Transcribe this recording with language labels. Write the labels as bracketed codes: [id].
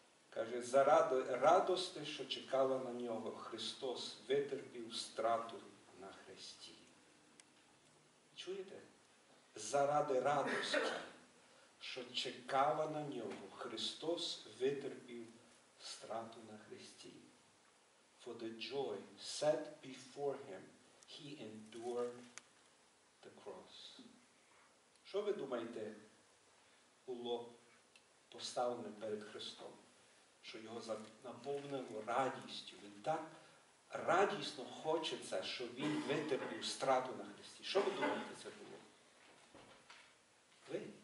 [uk] Каже, заради радості, що чекала на нього, Христос витерпів страту на хресті. Чуєте? Заради радості, що чекала на нього, Христос витерпів страту на хресті. [en] For the joy set before him, he endured the cross. [uk] Що ви думаєте, було поставлене перед Христом? Що його наповнило радістю? Він так радісно хоче це, що він витерпів страту на хресті. Що ви думаєте, це було? Ви?